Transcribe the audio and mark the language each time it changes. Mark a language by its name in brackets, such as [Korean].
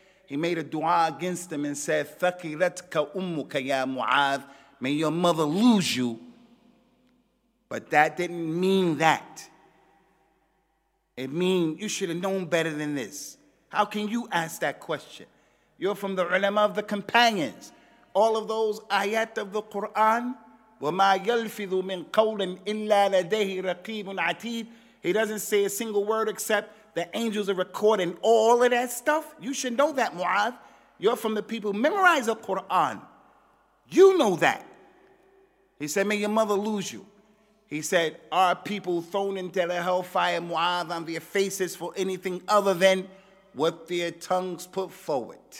[English] He made a dua against them and said, [Arabic] Thakilatka ummuka ya Mu'adh, [English] may your mother lose you. But that didn't mean that. It means you should have known better than this. How can you ask that question? You're from the ulama of the companions. All of those ayat of the Quran, [Arabic] وَمَا يَلْفِذُ مِنْ قَوْلٍ إِلَّا لَدَيْهِ رَقِيبٌ عَتِيدٌ. [English] He doesn't say a single word except the angels are recording all of that stuff. You should know that, Mu'adh. You're from the people who memorize the Quran. You know that. He said, may your mother lose you. He said, are people thrown into the hellfire, Mu'adh, on their faces for anything other than what their tongues put forward?